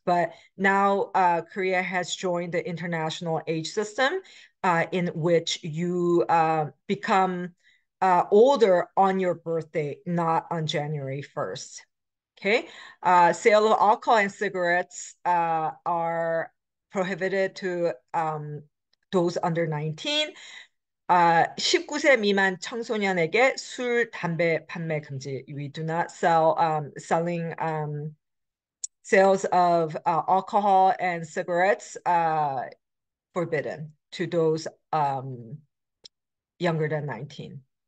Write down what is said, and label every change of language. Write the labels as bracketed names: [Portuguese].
[English] But now Korea has joined the international age system in which you become older on your birthday, not on January 1st. Okay, sale of alcohol and cigarettes are prohibited to those under 19. [Korean] 19세 미만 청소년에게 술, 담배 판매 금지. [English] We do not sell sales of alcohol and cigarettes forbidden to those younger than 19.